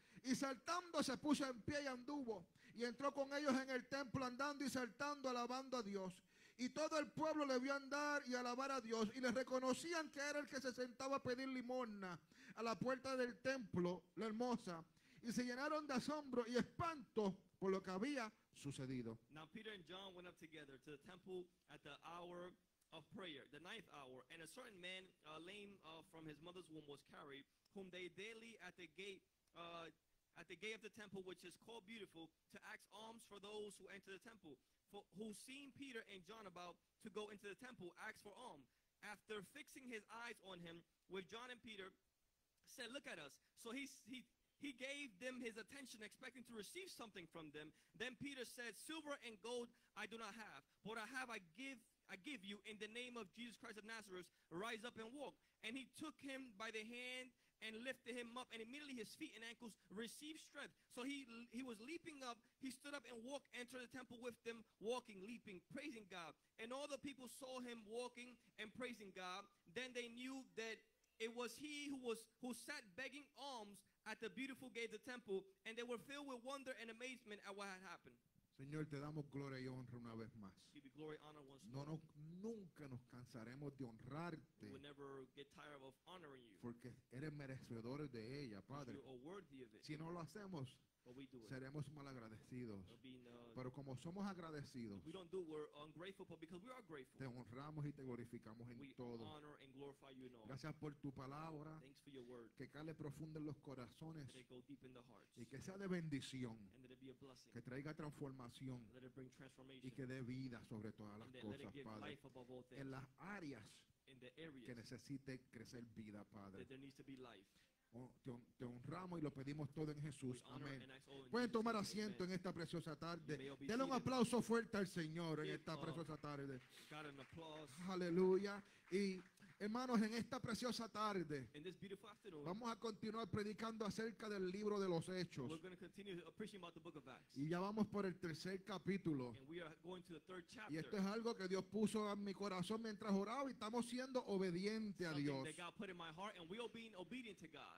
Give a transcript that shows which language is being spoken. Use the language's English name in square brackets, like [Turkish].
[Spanish] Y saltando se puso en pie y anduvo, y entró con ellos en el templo andando y saltando, alabando a Dios. Y todo el pueblo le vio andar y alabar a Dios, y le reconocían que era el que se sentaba a pedir limosna a la puerta del templo, la Hermosa. Y se llenaron de asombro y espanto por lo que había sucedido. [English] Now Peter and John went up together to the temple at the hour of prayer, the ninth hour, and a certain man, lame from his mother's womb, was carried, whom they daily at the gate of the temple, which is called Beautiful, to ask alms for those who enter the temple. For who, seeing Peter and John about to go into the temple, asked for alms. After fixing his eyes on him with John and Peter, said, "Look at us." So he gave them his attention, expecting to receive something from them. Then Peter said, "Silver and gold I do not have, but I give I give you, in the name of Jesus Christ of Nazareth, rise up and walk. And he took him by the hand and lifted him up, and immediately his feet and ankles received strength. So he was leaping up, he stood up and walked, entered the temple with them, walking, leaping, praising God. And all the people saw him walking and praising God. Then they knew that it was he who sat begging alms at the beautiful gate of the temple, and they were filled with wonder and amazement at what had happened. [Spanish] Señor, te damos gloria y honra una vez más. [English] Glory, honor, once [Spanish] no, no, nunca nos cansaremos de honrarte. [English] We'll never get tired of honoring you. [Spanish] Porque eres merecedor de ella, Padre. [English] You are worthy of it. [Spanish] Si no lo hacemos, [English] but we do it. [Spanish] Seremos malagradecidos. Pero como somos agradecidos, [English] we don't do it, we're ungrateful, but because we are grateful, [Spanish] te honramos y te glorificamos en [English] we [Spanish] todo. [English] We honor and glorify you in all. [Spanish] Gracias por tu palabra. [English] Thanks for your word. [Spanish] Que cale profundo en los corazones. [English] That it go deep in the hearts. [Spanish] Y que sea de bendición. [English] And that it be a blessing. [Spanish] Que traiga transformación. [English] And that it bring transformation. [Spanish] Y que dé vida sobre todas [English] and [Spanish] las cosas, [English] let it give [Spanish] Padre. [English] Life above all things. [Spanish] En las áreas [English] in the areas [Spanish] que necesite crecer vida, Padre. [English] That there needs to be life. [Spanish] Te honramos y lo pedimos todo en Jesús. Amén. Pueden tomar asiento [English] Amen. [Spanish] En esta preciosa tarde. Denle un aplauso fuerte al Señor en esta preciosa tarde. Aleluya. Y hermanos, en esta preciosa tarde vamos a continuar predicando acerca del libro de los Hechos. [English] We're going to continue preaching about the book of Acts. [Spanish] Y ya vamos por el tercer capítulo. [English] And we are going to the third chapter. [Spanish] Y esto es algo que Dios puso en mi corazón mientras oraba y estamos siendo obedientes a Dios. [English] Something that God put in my heart and we are being obedient to God.